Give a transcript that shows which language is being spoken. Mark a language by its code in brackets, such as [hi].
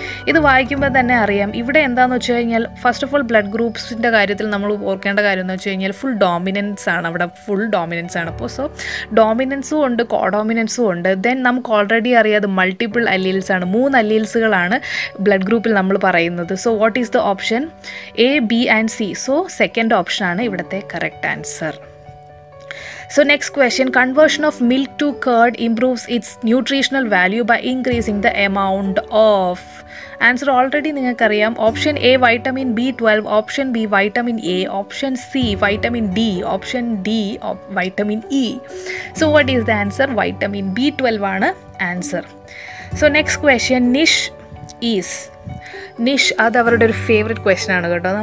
[ml] ഇത് വായിക്കുമ്പോൾ തന്നെ അറിയാം ഇവിടെ എന്താണെന്ന് വെച്ച് കഴിഞ്ഞാൽ, ഫസ്റ്റ് ഓഫ് ഓൾ ബ്ലഡ് ഗ്രൂപ്പ്സിൻ്റെ കാര്യത്തിൽ നമ്മൾ ഓർക്കേണ്ട കാര്യം എന്ന് വെച്ച് കഴിഞ്ഞാൽ ഫുൾ ഡോമിനൻസ് ആണ് അവിടെ, ഫുൾ ഡോമിനൻസ് ആണ്. അപ്പോൾ സോ ഡോമിനൻസും ഉണ്ട്, കോഡോമിനൻസും ഉണ്ട്. ദെൻ നമുക്ക് ഓൾറെഡി അറിയാം അത് മൾട്ടിപ്പിൾ അല്ലീൽസ് ആണ്, മൂന്ന് അല്ലീൽസുകളാണ് ബ്ലഡ് ഗ്രൂപ്പിൽ നമ്മൾ പറയുന്നത്. [en] So what is the option? A B and C. So second option ആണ് ഇവിടുത്തെ correct answer. So next question, conversion of milk to curd improves its nutritional value by increasing the amount of? [ml] Answer already നിങ്ങൾക്കറിയാം. [en] Option A vitamin B 12, option B vitamin A, option C vitamin D, option D vitamin E. So what is the answer? [ml] Vitamin B 12 ആണ് answer. So next question, നിഷ് is, നിഷ്, അത് അവരുടെ ഒരു favourite question ആണ് കേട്ടോ.